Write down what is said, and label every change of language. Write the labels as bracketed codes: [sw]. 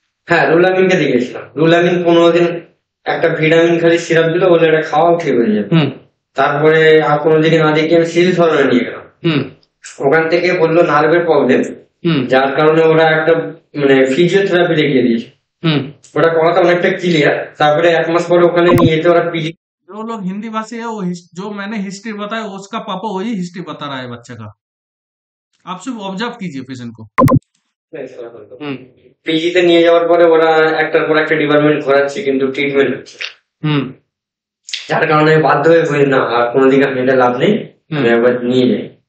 [bn] হ্যাঁ, রুলামিন কে দেখেছিলাম। রুলামিন 15 দিন একটা ভিটামিন খালি সিরাপ দিল, বলে এটা খাওয়াও ঠিক হয়ে যাবে। তারপরে আর কোনোদিন না দেখে আমি শিশু সদনে নিয়ে গেলাম। ওখান থেকে বললো নার্ভের প্রবলেম, যার কারণে ওরা একটা মানে ফিজিওথেরাপি দেখিয়ে দিয়েছে। ওটা করাতে অনেকটা ক্লিয়ার। তারপরে 1 মাস পরে ওখানে নিয়ে যেতে ওরা পিজি। [hi] जो लोग हिंदी भाषी है वो जो मैंने हिस्ट्री बताया उसका पापा वही हिस्ट्री बता रहा है बच्चे का। आप सब ऑब्जर्व कीजिए पेशेंट को। [bn] পিজি তে নিয়ে যাওয়ার পরে ওরা একটার পর একটা ডিপার্টমেন্ট ঘোরাচ্ছে, কিন্তু ট্রিটমেন্ট হচ্ছে, যার কারণে বাধ্য হয়ে বলি না আর কোনোদিকে আমি এটা লাভ নেই, আমি একবার নিয়ে যাই।